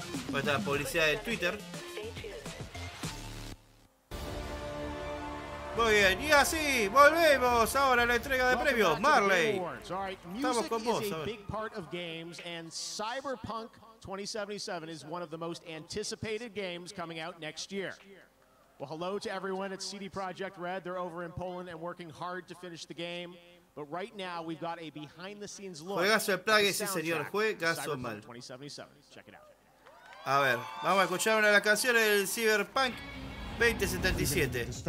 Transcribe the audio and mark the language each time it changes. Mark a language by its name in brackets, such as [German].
[Spanish] Pues está la publicidad de Twitter. Muy bien, y así volvemos ahora a la entrega de premios. Marley, estamos con vos. [English] Music is a big part of games, and Cyberpunk 2077 is one of the most anticipated games coming out next year. Well, hello to everyone at CD Projekt Red. They're over in Poland and working hard to finish the game. But right now, we've got a behind-the-scenes look. [Spanish] Juegazo de Plague, sí, señor. Juegazo mal. [English] Check it out. [Spanish] A ver, vamos a escuchar una de las canciones del Cyberpunk 2077.